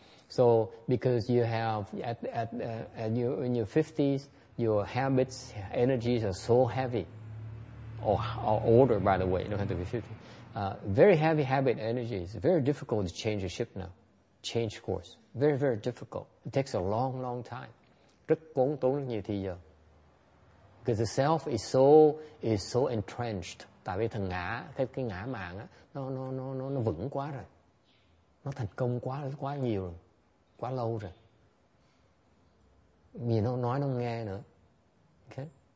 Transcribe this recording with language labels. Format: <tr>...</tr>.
<en>So because you have at your 50s, your habits, energies are so heavy, or older, by the way, don't have to be 50, very heavy habit energies, very difficult to change a ship now, change course, very very difficult. It takes a long time,</en> <vi>rất cốn tốn rất nhiều thời giờ.</vi> <en>Because the self is so entrenched.</en> <vi>Tại vì thằng ngã, cái ngã mạng á, nó vững quá rồi. Nó thành công quá nhiều rồi. Quá lâu rồi. Vì nó nói nó nghe nữa. Okay.</vi>